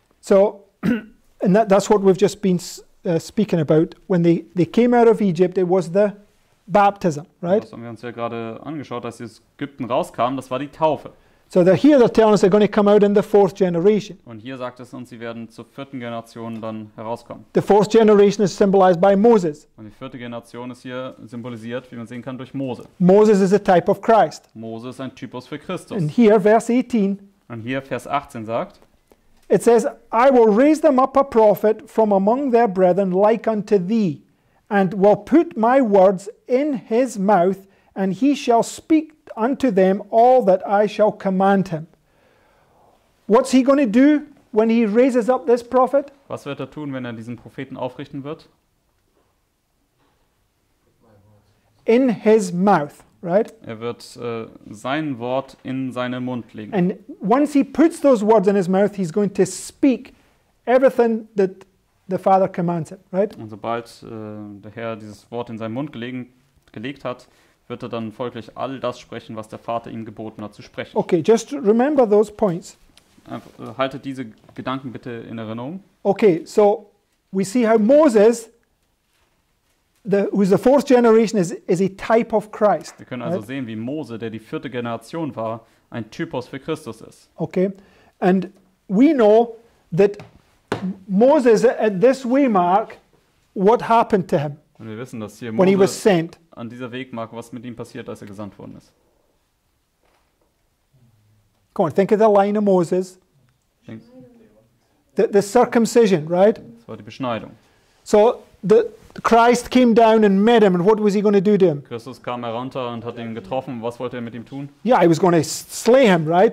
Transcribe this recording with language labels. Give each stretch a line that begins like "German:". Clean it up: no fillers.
English: So, and that's what we've just been speaking about. When they came out of Egypt, it was the baptism, right?
German: Das haben wir uns ja gerade angeschaut, dass sie aus Ägypten rauskamen, das war die Taufe.
English: So they're here, they're telling us they're going to come out in the fourth generation.
German: Und hier sagt es uns, sie werden zur vierten Generation dann herauskommen.
English: The fourth generation is symbolized by Moses.
German: Und die vierte Generation ist hier symbolisiert, wie man sehen kann, durch Mose.
English: Moses is a type of Christ.
German: Mose ist ein Typus für Christus.
English: And here, verse 18.
German: Und hier Vers 18 sagt.
English: It says, I will raise them up a prophet from among their brethren like unto thee, and will put my words in his mouth, and he shall speak unto them all that I shall command him. What's he going to do when he raises up this prophet?
German: Was wird er tun, wenn er diesen Propheten aufrichten wird?
English: In his mouth, right?
German: Er wird sein Wort in seinen Mund legen.
English: And once he puts those words in his mouth, he's going to speak everything that the Father commands him, right?
German: Und sobald der Herr dieses Wort in seinen Mund gelegt hat, wird er dann folglich all das sprechen, was der Vater ihm geboten hat, zu sprechen.
English: Okay, just remember those points.
German: Haltet diese Gedanken bitte in Erinnerung.
English: Okay, so we see how Moses, who is the fourth generation, is a type of Christ.
German: Wir können also sehen, wie Mose, der die vierte Generation war, ein Typus für Christus ist.
English: Okay, and we know that Moses at this waymark, what happened to him?
German: Und wir wissen, dass hier Mose
English: when he was sent.
German: An dieser Wegmarke, was mit ihm passiert, als er gesandt worden ist.
English: Go on, think of the line of Moses. The circumcision, right?
German: Das war die Beschneidung.
English: So the Christ came down and met him, and what was he going to do to him?
German: Christus kam herunter und hat ihn getroffen. Was wollte er mit ihm tun?
English: Yeah, he was going to slay him, right?